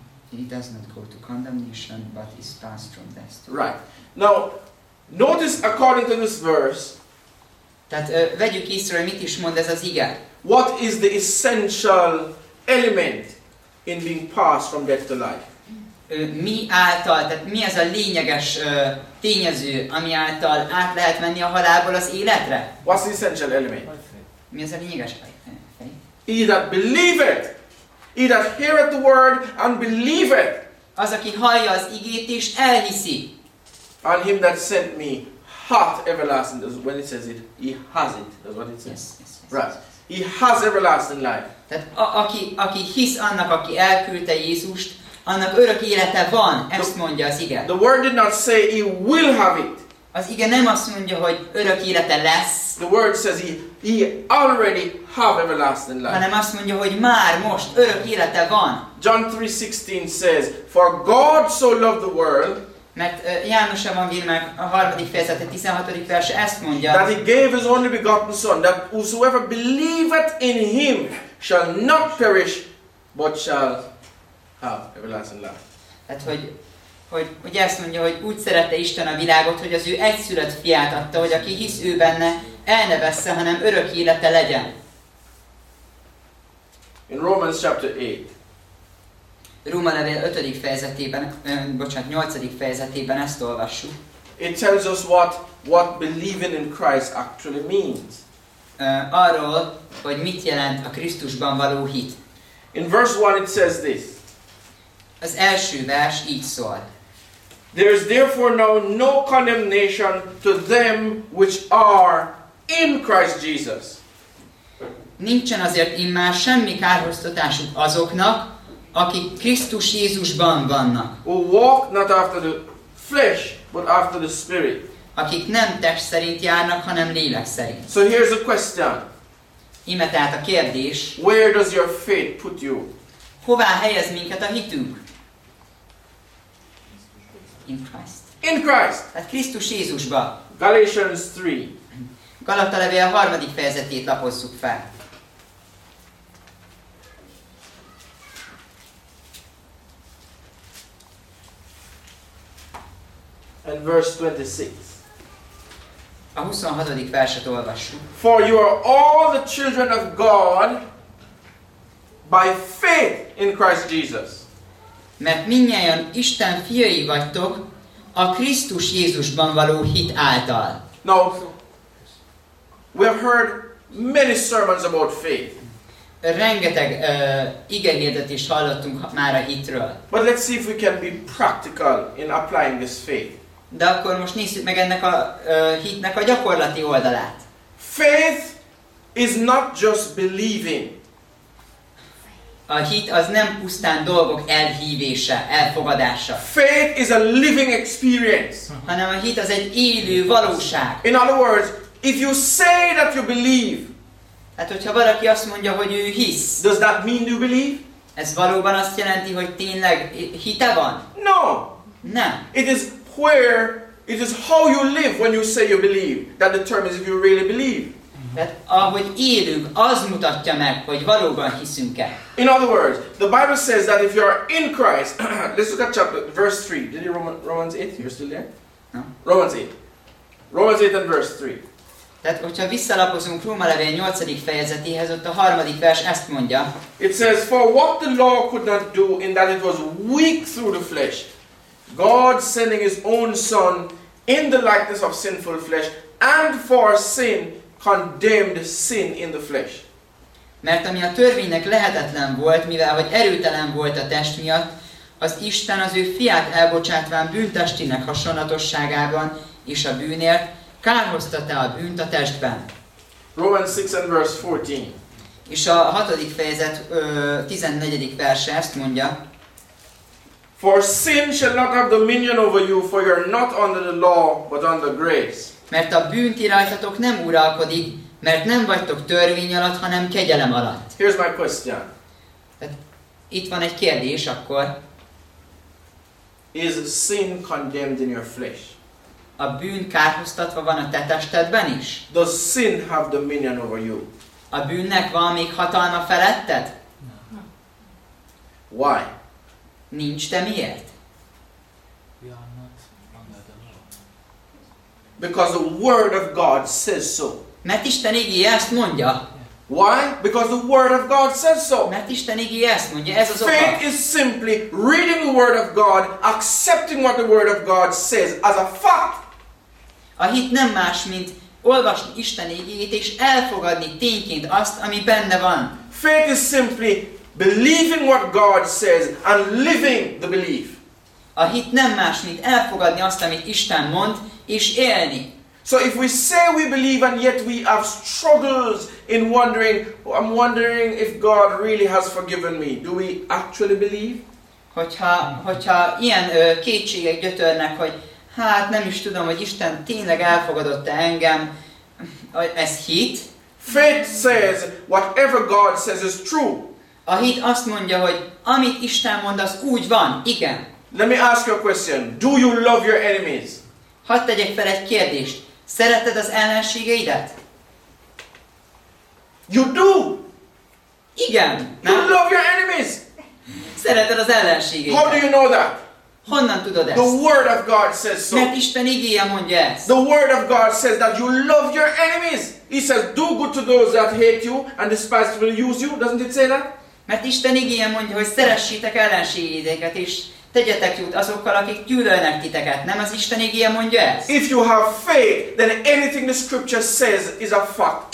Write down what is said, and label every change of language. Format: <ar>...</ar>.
<en>He does not go to condemnation, but is passed from death. Right. Now, notice according to this verse.</en> <hu>Tehát vegyük észre, hogy mit is mond ez az ige.</hu> <en>What is the essential element in being passed from death to life?</en> <hu>Mi által, tehát mi ez a lényeges tényező, ami által át lehet menni a halálból az életre?</hu> <en>What's the essential element?</en> <hu>Mi ez a lényeges?</hu> <en>He that believeth, he that heareth the word and believeth.</en> <hu>Az, aki hallja az igét és elhiszi.</hu> <en>On him that sent me hath everlasting, that's when it says it, he has it, that's what it says. Yes. He has everlasting life.</en> <hu>Tehát aki hisz annak, aki elküldte Jézust, annak örök élete van, ezt mondja az ige.</hu> <en>The word did not say he will have it.</en> <hu>Az ige nem azt mondja, hogy örök élete lesz.</hu> <en>The word says he already have everlasting life.</en> <hu>Hanem azt mondja, hogy már most örök élete van.</hu> <en>John 3:16 says, for God so loved the world,</en> <hu>mert János evangéliumának a 3. fejezete 16. verse ezt mondja,</hu> <en>that he gave his only begotten son, that whosoever believeth in him shall not perish, but shall have everlasting life.</en> <hu>Tehát, hogy ezt mondja, hogy úgy szerette Isten a világot, hogy az ő egyszülött fiát adta, hogy aki hisz ő benne, el ne vesse, hanem örök élete legyen.</hu> <en>In Romans chapter 8,</en> <hu>Róma levél 5. fejezetében, 8. fejezetében ezt olvassuk.</hu> <en>It tells us what believing in Christ actually means.</en> <hu>Arról, hogy mit jelent a Krisztusban való hit.</hu> <en>In verse 1 it says this.</en> <hu>Az első vers így szól.</hu> <en>There is therefore now no condemnation to them which are in Christ Jesus.</en> <hu>Nincsen azért immár semmi kárhoztatásuk azoknak, akik Krisztus Jézusban vannak.</hu> <en>Who walk not after the flesh, but after the spirit.</en> <hu>Akik nem test szerint járnak, hanem lélek szerint.</hu> <en>So here's a question.</en> <hu>Íme tehát a kérdés.</hu> <en>Where does your faith put you?</en> <hu>Hová helyez minket a hitünk?</hu> <en>In Christ. In Christ.</en> <hu>Tehát Krisztus Jézusba.</hu> <en>Galatians 3.</en> <hu>Galata levél 3. fejezetét lapozzuk fel.</hu> <en>And verse 26.</en> <hu>A 26. verset olvassuk.</hu> <en>For you are all the children of God by faith in Christ Jesus.</en> <hu>Mert mindnyájan Isten fiai vagytok a Krisztus Jézusban való hit által.</hu> <en>Now, we have heard many sermons about faith.</en> <hu>Rengeteg igehirdetést hallottunk már a hitről.</hu> <en>But let's see if we can be practical in applying this faith.</en> <hu>De akkor most nézzük meg ennek a hitnek a gyakorlati oldalát.</hu> <en>Faith is not just believing.</en> <hu>A hit az nem pusztán dolgok elhívése, elfogadása.</hu> <en>Faith is a living experience.</en> <hu>Hanem a hit az egy élő valóság.</hu> <en>In other words, if you say that you believe.</en> <hu>Hát hogyha valaki azt mondja, hogy ő hisz.</hu> <en>Does that mean you believe?</en> <hu>Ez valóban azt jelenti, hogy tényleg hite van?</hu> <en>No.</en> <hu>Nem.</hu> <en>It is where it is how you live when you say you believe that determines if you really believe.</en> <hu>Tehát ahogy élünk, az mutatja meg, hogy valóban hiszünk-e.</hu> <en>In other words, the Bible says that if you are in Christ, let's look at chapter verse 3. Did you Romans 8? You're still there? No. Romans 8. Romans 8 and verse 3.</en> <hu>Tehát, hogyha visszalapozunk Róma levél 8. fejezetéhez, ott a 3. vers ezt mondja.</hu> <en>It says, for what the law could not do in that it was weak through the flesh, God sending his own son in the likeness of sinful flesh, and for sin, condemned sin in the flesh.</en> <hu>Mert ami a törvénynek lehetetlen volt, mivel hogy erőtelen volt a test miatt, az Isten az ő fiát elbocsátván bűntestének hasonlatosságában és a bűnért, kárhoztatta a bűnt a testben.</hu> <en>Romans 6 and verse 14.</en> <hu>És a 6. fejezet 14. verse ezt mondja.</hu> <en>For sin shall not have dominion over you, for you are not under the law, but under grace.</en> <hu>Mert a bűn ti rajtatok nem uralkodik, mert nem vagytok törvény alatt, hanem kegyelem alatt.</hu> <en>Here's my question.</en> <hu>Itt van egy kérdés akkor.</hu> <en>Is sin condemned in your flesh?</en> <hu>A bűn kárhoztatva van a te testedben is?</hu> <en>Does sin have dominion over you?</en> <hu>A bűnnek van még hatalma feletted?</hu> <en>No. Why?</en> <hu>Nincs, te miért?</hu> <en>We are not under the law. Because the word of God says so.</en> <hu>Mert Isten igéje ezt mondja.</hu> <en>Why? Because the word of God says so.</en> <hu>Mert Isten igéje ezt mondja, ez az oka.</hu> <en>Faith is simply reading the word of God, accepting what the word of God says as a fact.</en> <hu>A hit nem más, mint olvasni Isten igéjét és elfogadni tényként azt, ami benne van.</hu> <en>Faith is simply believing what God says and living the belief.</en> <hu>A hit nem más, mint elfogadni azt, amit Isten mond, és élni.</hu> <en>So if we say we believe and yet we have struggles in wondering, I'm wondering if God really has forgiven me. Do we actually believe?</en> <hu>Hogyha ilyen kétségek gyötörnek, hogy hát nem is tudom, hogy Isten tényleg elfogadott-e engem, ez hit?</hu> <en>Faith says whatever God says is true.</en> <hu>A hit azt mondja, hogy amit Isten mond, az úgy van, igen.</hu> <en>Let me ask you a question. Do you love your enemies?</en> <hu>Hadd tegyek fel egy kérdést. Szereted az ellenségeidet?</hu> <en>You do.</en> <hu>Igen.</hu> <en>You love your enemies.</en> <hu>Szereted az ellenségeidet.</hu> <en>How do you know that?</en> <hu>Honnan tudod ezt?</hu> <en>The word of God says so.</en> <hu>Mert Isten igéje mondja ezt.</hu> <en>The word of God says that you love your enemies. He says, do good to those that hate you and despisefully use you. Doesn't it say that?</en> <hu>Mert Isten igéje mondja, hogy szeressétek ellenségeiteket is. Tegyetek jót azokkal, akik gyűlölnek titeket. Nem az Isten igéje mondja ezt?</hu> <en>If you have faith, then anything the scripture says is a fact.</en>